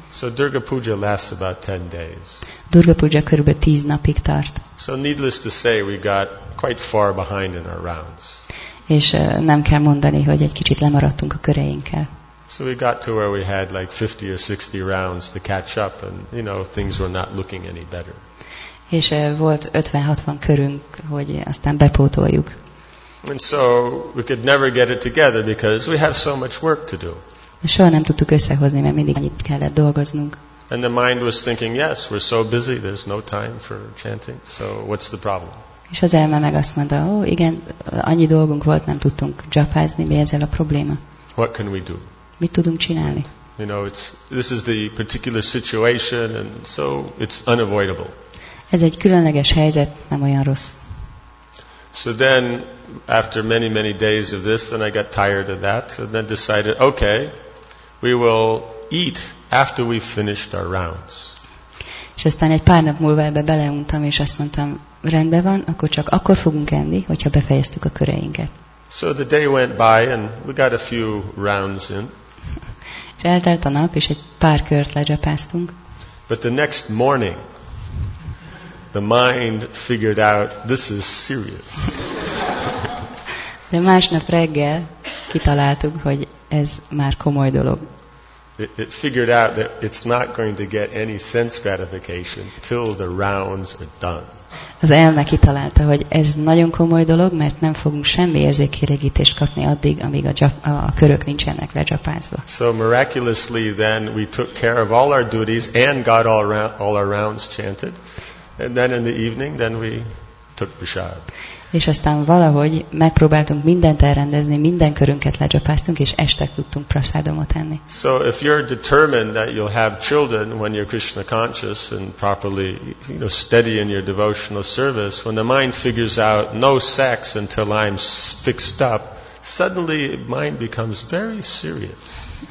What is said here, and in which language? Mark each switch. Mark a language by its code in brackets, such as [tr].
[en] So Durga Puja lasts about 10 days. [hu] Durga Puja körülbelül 10 napig tart. [en] So needless to say, we got quite far behind in our rounds. [hu] És nem kell mondani, hogy egy kicsit lemaradtunk a köreinkkel. [en] So we got to where we had like 50 or 60 rounds to catch up, and you know, things were not looking any better. [hu] És volt 50-60 körünk, hogy aztán bepótoljuk. [en] And so we could never get it together because we have so much work to do. [hu] Soha nem tudtuk összehozni, mert mindig annyit kellett dolgoznunk. [en] And the mind was thinking, yes, we're so busy, there's no time for chanting, so what's the problem? [hu] És az elme meg azt mondta, ó, igen, annyi dolgunk volt, nem tudtunk japázni, mi ezzel a probléma? [en] What can we do? [hu] Mit tudunk csinálni? [en] You know, this is the particular situation, and so it's unavoidable. [hu] Ez egy különleges helyzet, nem olyan rossz. [en] So then, after many, many days of this, then I got tired of that, and then decided, okay, we will eat after we've finished our rounds. [hu] És aztán egy pár nap múlva ebbe beleuntam, és azt mondtam, rendben van, akkor csak akkor fogunk enni, hogyha befejeztük a köreinket. [en] So the day went by, and we got a few rounds in. [hu] És eltelt a nap, és egy pár kört lejapáztunk. [en] But the next morning, the mind figured out, this is serious. [hu] De másnap reggel kitaláltuk, hogy ez már komoly dolog. [en] It figured out that it's not going to get any sense gratification till the rounds are done. [hu] Az elme kitalálta, hogy ez nagyon komoly dolog, mert nem fogunk semmi érzékkielégítést kapni addig, amíg a körök nincsenek lecsapázva. [en] So miraculously then we took care of all our duties and got all our rounds chanted. And then in the evening then we took prasad. [hu] És aztán valahogy megpróbáltunk mindent elrendezni, minden körünket lecsapáztunk, és este tudtunk prasádomot enni. [en] So if you're determined that you'll have children when you're Krishna conscious and properly, you know, steady in your devotional service, when the mind figures out no sex until I'm fixed up, suddenly mind becomes very serious.